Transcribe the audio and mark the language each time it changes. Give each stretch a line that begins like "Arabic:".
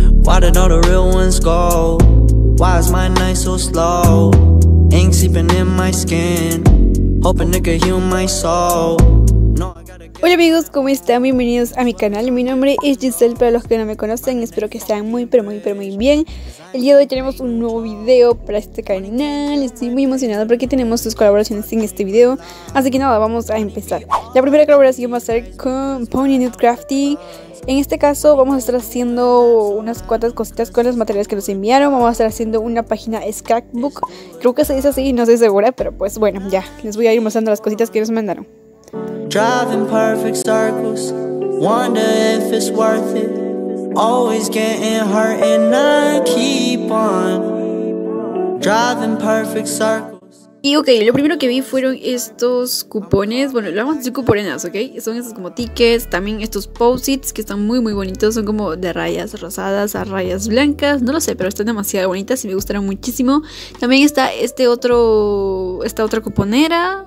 English: Why did all the real ones go? Why is my night so slow? Ain't seeping in my skin, hoping it could heal my soul.
Spanish: Hola amigos, ¿cómo están? Bienvenidos a mi canal. Mi nombre es Giselle, para los que no me conocen. Espero que estén muy, pero muy, pero muy bien. El día de hoy tenemos un nuevo video para este canal. Estoy muy emocionada porque tenemos dos colaboraciones en este video. Así que nada, vamos a empezar. La primera colaboración va a ser con Pony Nude Crafty. En este caso vamos a estar haciendo unas cuantas cositas con los materiales que nos enviaron. Vamos a estar haciendo una página scrapbook. Creo que se dice así, no estoy segura, pero pues bueno, ya. Les voy a ir mostrando las cositas que nos mandaron.
English: Driving perfect circles, wonder if it's worth it. Always getting hurt and I keep on driving perfect circles.
Spanish: Y ok, lo primero que vi fueron estos cupones. Bueno, lo vamos a decir cuponenas, ok. Son estos como tickets, también estos post-its que están muy muy bonitos. Son como de rayas rosadas a rayas blancas. No lo sé, pero están demasiado bonitas y me gustaron muchísimo. También está este otro, esta otra cuponera.